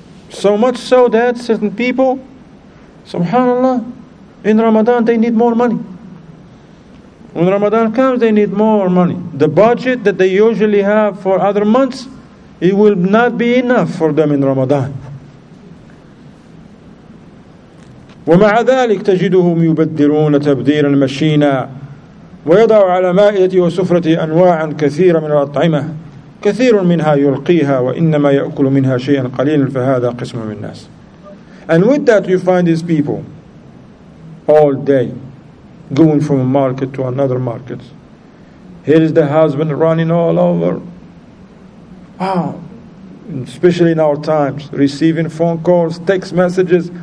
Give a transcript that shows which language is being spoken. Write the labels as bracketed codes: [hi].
[en] So much so that certain people, subhanAllah, in Ramadan they need more money. When Ramadan comes, they need more money. The budget that they usually have for other months, it will not be enough for them in Ramadan. [ar] ومع ذلك تجدهم يبدرون تبديرا مشينا ويضع على مائدتي وسفرتي أنواعا كثيرة من الأطعمة كثير منها يلقيها وإنما يأكل منها شيئا قليلا فهذا قسم من الناس. [en] And with that you find these people all day going from a market to another market. Here is the husband running all over. Wow, especially in our times, receiving phone calls, text messages.